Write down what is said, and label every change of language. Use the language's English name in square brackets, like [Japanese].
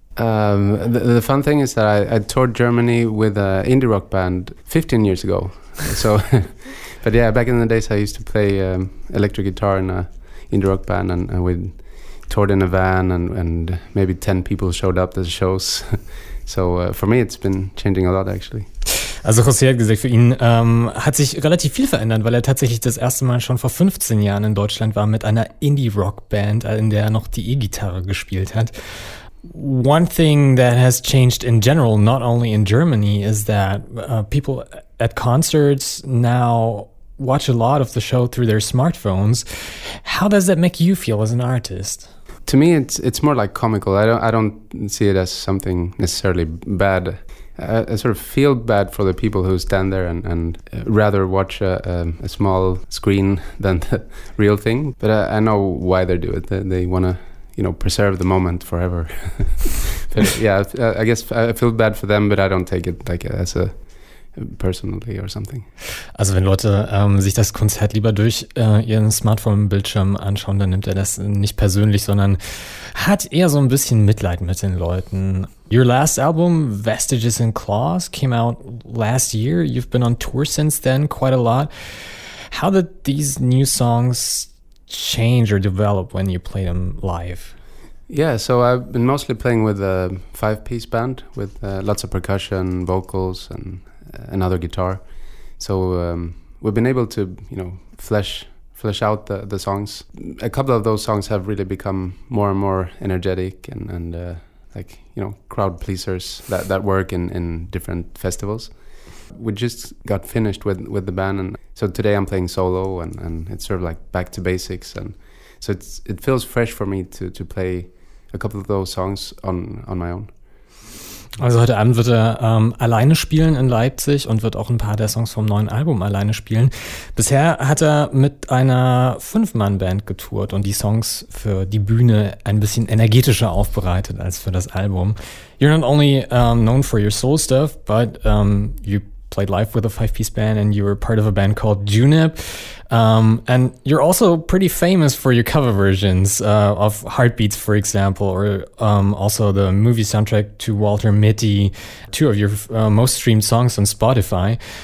[English] The fun thing is that I toured Germany with an indie rock band 15 years ago. So, but yeah, back in the days I used to play electric guitar in an indie rock band and we toured in a van and maybe 10 people showed up to the shows. So for me it's been changing a lot actually. [German] Also José hat gesagt, für ihn hat sich relativ viel verändert, weil er tatsächlich das erste Mal schon vor 15 Jahren in Deutschland war mit einer Indie-Rock-Band, in der er noch die E-Gitarre gespielt hat. [English] One thing that has changed in general, not only in Germany, is that people at concerts now watch a lot of the show through their smartphones. How does that make you feel as an artist? To me, it's more like comical. I don't see it as something necessarily bad. I sort of feel bad for the people who stand there and rather watch a small screen than the real thing. But I know why they do it. They want to, you know, preserve the moment forever. But yeah, I guess I feel bad for them, but I don't take it like as a personally or something. [German] Also wenn Leute sich das Konzert lieber durch ihren Smartphone-Bildschirm anschauen, dann nimmt er das nicht persönlich, sondern hat eher so ein bisschen Mitleid mit den Leuten. [English] Your last album, Vestiges and Claws, came out last year. You've been on tour since then quite a lot. How did these new songs change or develop when you play them live? Yeah, so I've been mostly playing with a 5-piece band with lots of percussion, vocals and another guitar. So we've been able to, you know, flesh out the songs. A couple of those songs have really become more and more energetic and like, you know, crowd pleasers that work in different festivals. We just got finished with the band, and so today I'm playing solo and it's sort of like back to basics, and so it feels fresh for me to play a couple of those songs on my own. [German] Also heute Abend wird er alleine spielen in Leipzig und wird auch ein paar der Songs vom neuen Album alleine spielen. Bisher hat er mit einer 5-Mann-Band getourt und die Songs für die Bühne ein bisschen energetischer aufbereitet als für das Album. [English] You're not only known for your soul stuff, but you played live with a 5-piece band and you were part of a band called Junip. And you're also pretty famous for your cover versions of Heartbeats, for example, or also the movie soundtrack to Walter Mitty, two of your most streamed songs on Spotify.